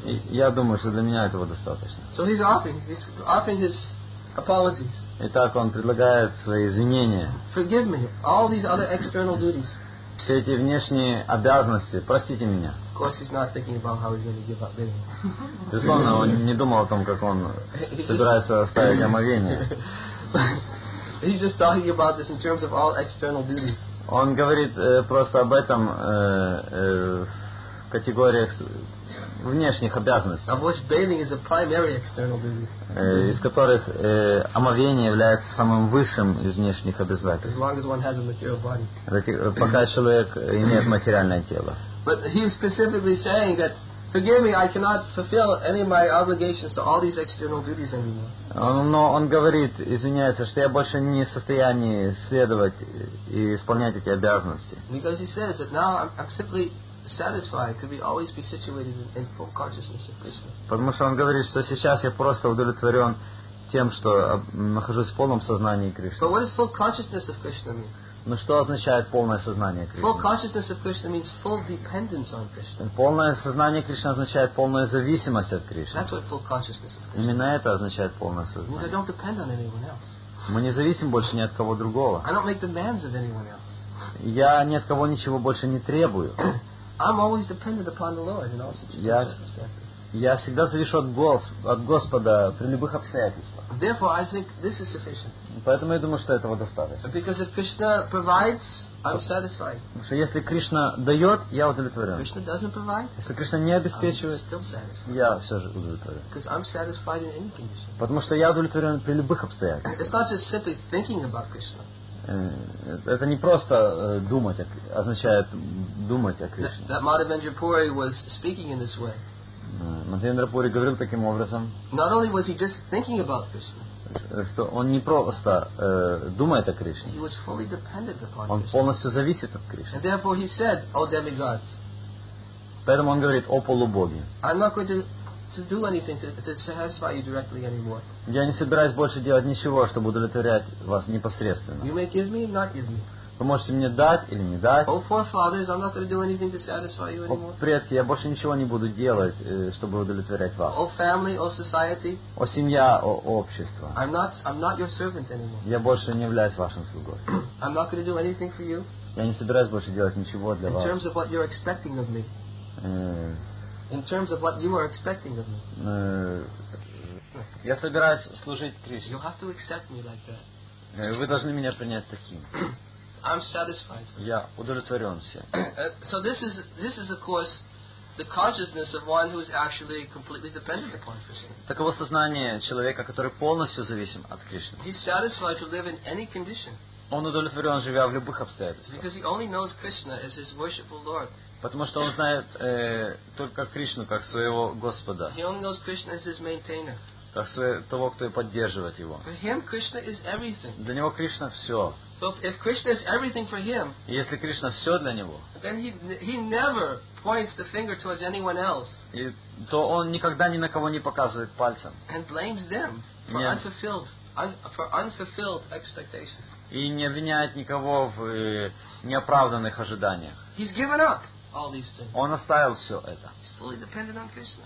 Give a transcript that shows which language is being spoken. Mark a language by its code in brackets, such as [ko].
[ru] Я думаю, что для меня этого достаточно. [en] So he's offering his apologies. [ru] Итак, он предлагает свои извинения. [en] Forgive me all these other external duties. [ru] Все эти внешние обязанности, простите меня. [en] Of course, he's not thinking about how he's going to give up bathing. [ru] Безусловно, он не думал о том, как он собирается оставить омовение. [en] He's just talking about this in terms of all external duties. [ru] Он говорит просто об этом в категориях внешних обязанностей, из которых омовение является самым высшим из внешних обязательств, пока человек имеет материальное тело. [en] But he is specifically saying that, forgive me, I cannot fulfill any of my obligations to all these external duties anymore. [ru] Но он говорит, извиняется, что я больше не в состоянии следовать и исполнять эти обязанности. [en] Because he says that now I'm simply satisfied to be always be situated in full consciousness of Krishna. [ru] Потому что он говорит, что сейчас я просто удовлетворен тем, что нахожусь в полном сознании Кришны. [en] But what does full consciousness of Krishna mean? [ru] Но что означает полное сознание Кришны? [en] Full consciousness of Krishna means full dependence on Krishna. [ru] Полное сознание Кришны означает полная зависимость от Кришны. [en] That's what full consciousness of Krishna. [ru] Именно это означает полное сознание. [en] Because I don't depend on anyone else. [ru] Мы не зависим больше ни от кого другого. [en] I don't make demands of anyone else. [ru] Я ни от кого ничего больше не требую. [en] I'm always dependent upon the Lord in all situations. [ru] Я всегда слышу от Господа при любых обстоятельствах. [en] Therefore, I think this is sufficient. [ru] Поэтому я думаю, что этого достаточно. [en] Because if Krishna provides, I'm satisfied. [ru] Потому что если Кришна дает, я удовлетворен. [en] If Krishna doesn't provide, [ru] если Кришна не обеспечивает, [en] I'm still satisfied. [ru] Я все же удовлетворен. [en] Because I'm satisfied in any condition. [ru] Потому что я удовлетворен при любых обстоятельствах. [en] It's not just simply thinking about Krishna. [ru] Это не просто думать, означает думать о Кришне. [en] That Madhavendra Puri was speaking in this way. [ru] Мадхавендра Пури говорил таким образом. [en] Not only was he just thinking about Krishna, [ru] что он не просто думает о Кришне. [en] He was fully dependent upon Krishna. [ru] Он полностью зависит от Кришны. [en] And therefore he said, "O demigods." [ru] Поэтому он говорит: "О полубоги." [en] I'm not going to do anything to satisfy you directly anymore. [ru] Я не собираюсь больше делать ничего, чтобы удовлетворять вас непосредственно. [en] You may give me, not give me. [ru] Вы можете мне дать или не дать. О, предки, я больше ничего не буду делать, чтобы удовлетворять вас. [en] О, family, о, society, [ru] о семья, о общество. [en] I'm not your servant anymore. [ru] Я больше не являюсь вашим слугой. [en] I'm not gonna do anything for you. [ru] Я не собираюсь больше делать ничего для вас. [en] In terms of what you're expecting of me. In terms of what you are expecting of me. [ru] Я собираюсь служить Кришне. [en] You have to accept me like that. [ru] Вы должны меня принять таким. [en] I'm satisfied. [ru] Я удовлетворен всем. [en] So this is of course the consciousness of one who is actually completely dependent upon Krishna. [ru] Таково сознание человека, который полностью зависим от Кришны. [en] He's satisfied to live in any condition. [ru] Он удовлетворен, живя в любых обстоятельствах. [en] Because he only knows Krishna as his worshipful Lord. [ru] Потому что он знает только Кришну как своего Господа. [en] He only knows Krishna as his maintainer. [ru] Как того, кто и поддерживает его. [en] For him, Krishna is everything. [ru] Для него Кришна все. [en] So if Krishna is everything for him, [ru] если Кришна все для него, [en] then he never points the finger towards anyone else. [ru] И то он никогда ни на кого не показывает пальцем. [en] And blames them for unfulfilled expectations. [ru] И не обвиняет никого в неоправданных ожиданиях. [en] He's given up all these things. [ru] Он оставил все это. [en] He's fully dependent on Krishna.